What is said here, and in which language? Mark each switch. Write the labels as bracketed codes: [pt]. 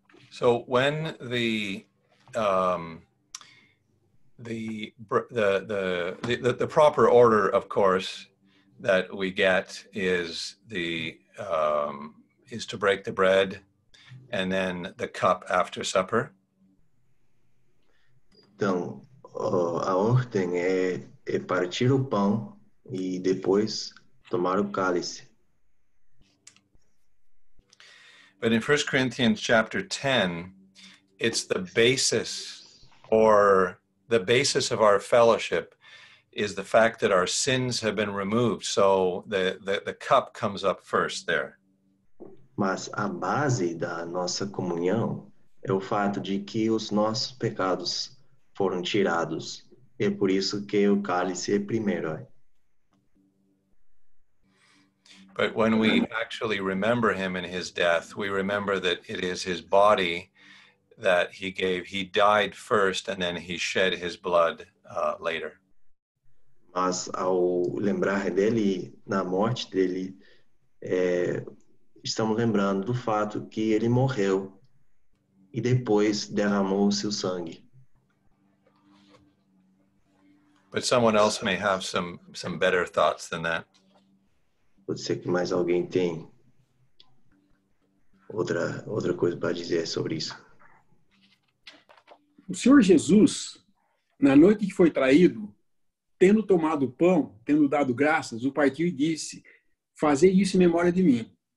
[en] So when the proper order, of course, that we get is the is to break the bread, and then the cup after supper. [pt] Então, a ordem é partir o pão e depois tomar o cálice. [en] But in 1 Corinthians chapter 10, it's the basis, or the basis of our fellowship is the fact that our sins have been removed. So the cup comes up first there. [pt] Mas a base da nossa comunhão é o fato de que os nossos pecados foram tirados. É por isso que o cálice é primeiro. [en] But when we actually remember him in his death, we remember that it is his body that he gave. He died first, and then he shed his blood later. [pt] Mas ao lembrar dele, na morte dele, estamos lembrando do fato que ele morreu e depois derramou o seu sangue. [en] But someone else may have some better thoughts than that. [pt] Pode ser que mais alguém tem outra coisa para dizer sobre isso. O Senhor Jesus, na noite que foi traído, tendo tomado o pão, tendo dado graças, o partiu e disse: fazei isso em memória de mim.